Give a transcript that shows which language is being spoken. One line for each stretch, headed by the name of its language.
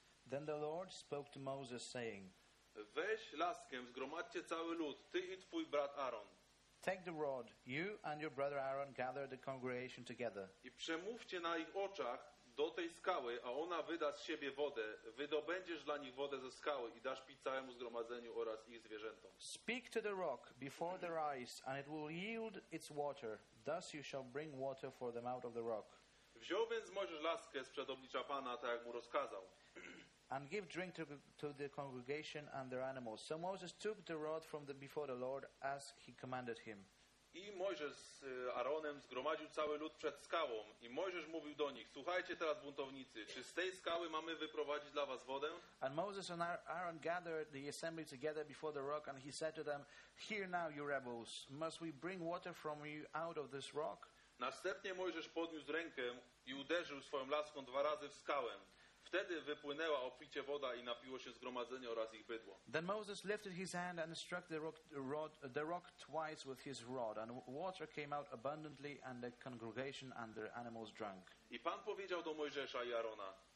English: Then the Lord spoke to Moses, saying,
Polish: weź laskę, zgromadźcie cały lud, ty i twój brat Aaron.
English: Take the rod, you and your brother Aaron gather the congregation together.
Polish: I przemówcie na ich oczach do tej skały, a ona wyda z siebie wodę. Wydobędziesz dla nich wodę ze skały i dasz pić całemu zgromadzeniu oraz ich zwierzętom.
English: Speak to the rock before their eyes, and it will yield its water. Thus you shall bring water for them out of the rock.
Polish: Wziął więc Mojżesz laskę sprzed oblicza Pana, tak jak mu rozkazał.
English: And give drink to the congregation and their animals. So Moses took the rod from the before the Lord as he commanded him.
Polish: I Mojżesz z Aaronem zgromadził cały lud przed skałą. I Mojżesz mówił do nich, słuchajcie teraz buntownicy, czy z tej skały mamy wyprowadzić dla was wodę?
English: And Moses and Aaron gathered the assembly together before the rock, and he said to them, hear now, you rebels, must we bring water from you out of this rock?
Polish: Następnie Mojżesz podniósł rękę i uderzył swoją laską dwa razy w skałę. Wtedy wypłynęła obficie woda i napiło się zgromadzenie oraz ich bydło.
English: Then Moses lifted his hand and struck the rock twice with his rod, and water came out abundantly, and the congregation and their animals drank.
Polish: I Pan powiedział do Mojżesza i Aarona.